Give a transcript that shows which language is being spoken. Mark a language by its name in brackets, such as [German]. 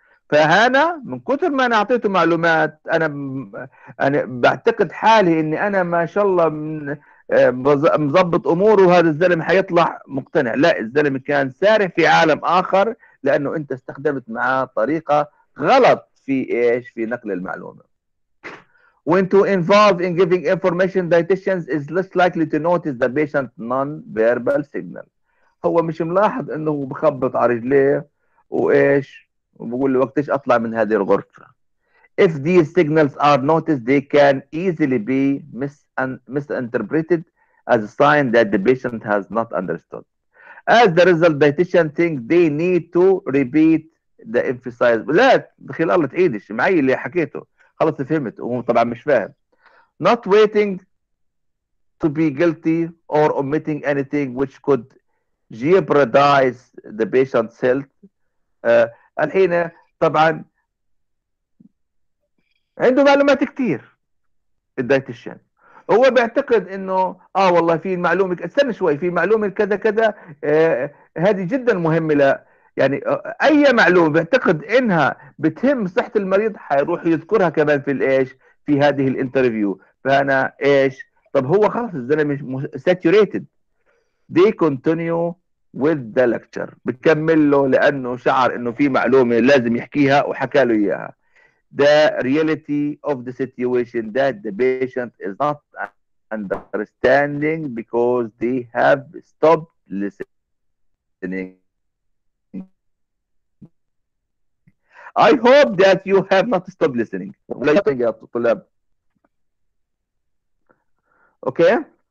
[Arabic] فهنا من كثر ما انا اعطيته معلومات انا بعتقد حالي اني انا ما شاء الله مضبط اموره، وهذا الزلم حيطلع مقتنع. لا، الزلم كان سارح في عالم اخر لانه انت استخدمت معاه طريقه غلط في ايش في نقل المعلومه. [English] When to involve in giving information dieticians is less likely to notice the patient non-verbal signal. [Arabic] هو مش ملاحظ انه بخبط على رجليه وايش وبقول له وقتش أطلع من هذه الغرفة. [English] If these signals are noticed, they can easily be misinterpreted as a sign that the patient has not understood. As the result, dietitian think they need to repeat the emphasis. [Arabic] لا بخير الله تعيدش معي اللي حكيته، خلاص فهمت وطبعا مش فاهم. [English] Not waiting to be guilty or omitting anything which could jeopardize the patient's health. [Arabic] الحين طبعا عنده معلومات كتير الدايتيشن، هو بيعتقد انه والله في معلومه استنى شوي في معلومه كذا كذا هذه جدا مهمه. لا يعني اي معلومه بيعتقد انها بتهم صحه المريض حيروح يذكرها كمان في الايش في هذه الانترفيو. فانا ايش طب هو خلاص الزلمه ساتوريتد. [English] دي continue with the lecture. [Arabic] بكمل له لأنه شعر أنه في معلومة لازم يحكيها وحكى له إياها. [English] The reality of the situation that the patient is not understanding because they have stopped listening. I hope that you have not stopped listening. [Arabic] يا طلاب. [English] Okay.